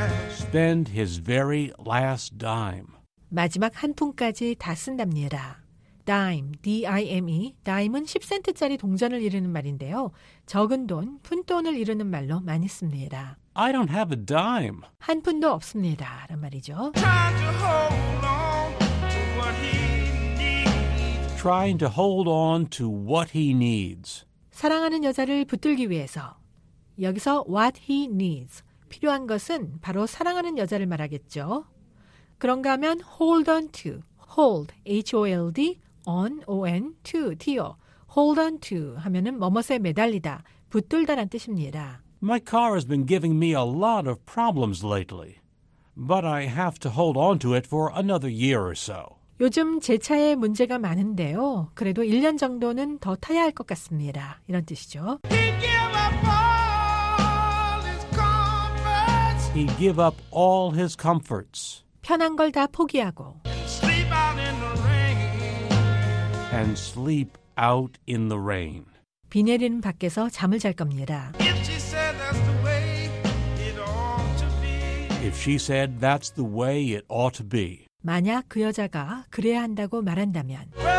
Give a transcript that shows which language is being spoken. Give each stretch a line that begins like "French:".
English: Spend his very last dime.
Korean: 마지막 한 푼까지 다 쓴답니다.
English: Dime, D-I-M-E.
Korean: Dime은 10센트짜리 동전을 이르는 말인데요. 적은 돈, 푼돈을 이르는 말로 많이 씁니다.
English: I don't have a dime.
Korean: 한 푼도 없습니다. 라는 말이죠.
English: Trying to hold on to what he needs. Trying to hold on to what he needs.
Korean: 사랑하는 여자를 붙들기 위해서. 여기서
English: what he needs.
Korean: 필요한 것은 바로 사랑하는 여자를 말하겠죠. 그런가 하면
English: hold on to, hold, H-O-L-D, on, on, to, dear. Hold on to
Korean: 하면은 뭐뭇에 매달리다, 붙들다란 뜻입니다.
English: My car has been giving me a lot of problems lately, but I have to hold on to it for another year or so.
Korean: 요즘 제 차에 문제가 많은데요. 그래도 1년 정도는 더 타야 할 것 같습니다. 이런 뜻이죠.
English: He gave up all his comforts. He gave up all his comforts.
Korean: 편한 걸 다 포기하고
English: sleep out in the rain. And sleep out in the rain.
Korean: 비 내리는 밖에서 잠을 잘 겁니다.
English: If she said that's the way it ought to be. If she said that's the way it ought to be.
Korean: 만약 그 여자가 그래야 한다고 말한다면